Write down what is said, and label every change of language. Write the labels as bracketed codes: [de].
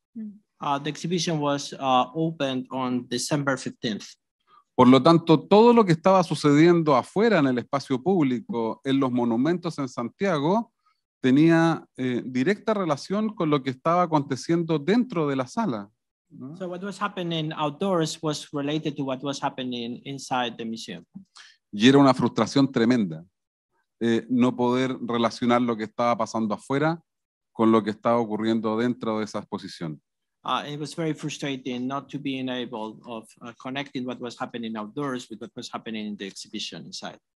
[en] The exhibition was opened on December 15th. [es] Por lo tanto, todo lo que estaba sucediendo afuera en el espacio público, en los monumentos en Santiago, tenía directa relación con lo que estaba aconteciendo dentro de la sala. [en] So what was happening outdoors was related to what was happening inside the museum. [es] Y era una frustración tremenda no poder relacionar lo que estaba pasando afuera con lo que estaba ocurriendo dentro de esa exposición. [en] It was very frustrating not to be able of connecting what was happening outdoors with what was happening in the exhibition inside.